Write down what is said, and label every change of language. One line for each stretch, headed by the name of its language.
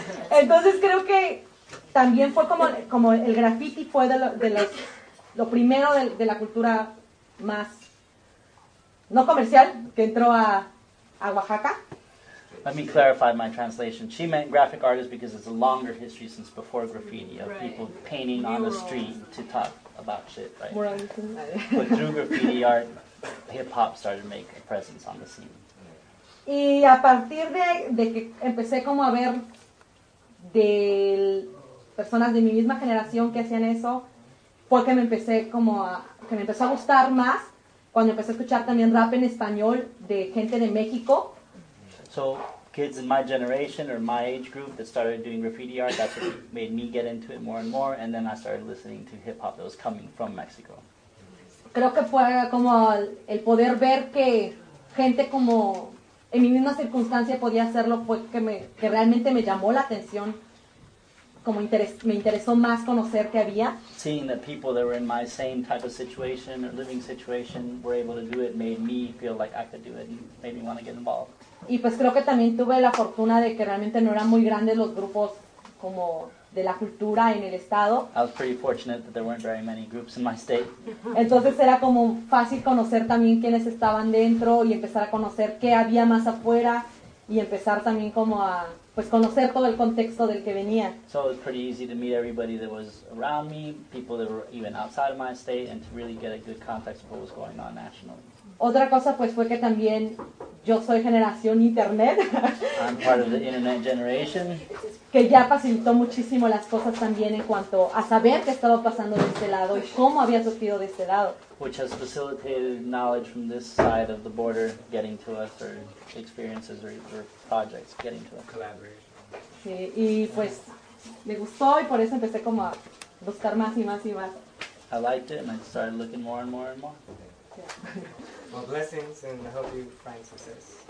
Spanish: Entonces creo que también fue como el graffiti fue de lo primero de la cultura más no comercial que entró a Oaxaca.
English: Let me clarify my translation. She meant graphic artists because it's a longer history since before graffiti of people painting on the street to talk about shit, right? But through graffiti art, hip hop started to make a presence on the scene.
Spanish: Y a partir de que empecé como a ver de personas de mi misma generación que hacían eso, fue que me empezó a gustar más cuando empecé a escuchar también rap en español de gente de México.
English: So kids in my generation or my age group that started doing graffiti art, that's what made me get into it more and more, and then I started listening to hip hop that was coming from Mexico.
Spanish: Creo que fue como el poder ver que gente como en mi misma circunstancia podía hacerlo, fue que realmente me llamó la atención como me interesó más conocer que había.
English: Seeing that people that were in my same type of situation or living situation were able to do it made me feel like I could do it and made me want to get involved.
Spanish: Y pues creo que también tuve la fortuna de que realmente no eran muy grandes los grupos como de la cultura en el estado.
English: I was pretty fortunate that there weren't very many groups in my state.
Spanish: Entonces era como fácil conocer también quiénes estaban dentro y empezar a conocer qué había más afuera y empezar también como a pues conocer todo el contexto del que venía.
English: So it was pretty easy to meet everybody that was around me, people that were even outside of my state, and to really get a good context of what was going on nationally.
Spanish: Otra cosa pues fue que también yo soy generación internet.
English: I'm part of the internet generation.
Spanish: Que ya facilitó muchísimo las cosas también en cuanto a saber qué estaba pasando de este lado y cómo había sufrido de este lado.
English: Which has facilitated knowledge from this side of the border getting to us, or experiences or projects getting to us. Collaboration.
Spanish: Sí, y pues me gustó y por eso empecé como a buscar más y más y más.
English: I liked it and I started looking more and more and more. Well, blessings, and I hope you find success.